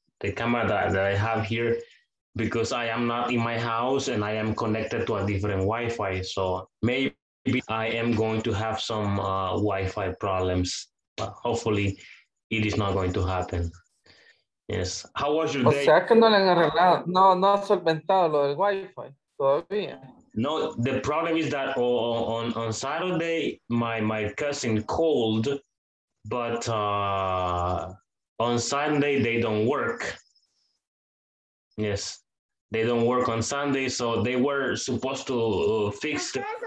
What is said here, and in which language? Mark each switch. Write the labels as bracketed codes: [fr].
[en] The camera that I have here, because I am not in my house and I am connected to a different Wi-Fi. So maybe I am going to have some Wi-Fi problems, but hopefully it is not going to happen. Yes. How was your day? [es] O sea, que no le han arreglado. No ha solventado lo del Wi-Fi todavía. [en] No, the problem is that on Saturday, my cousin called, but on Sunday, they don't work. Yes, they don't work on Sunday, so they were supposed to fix the...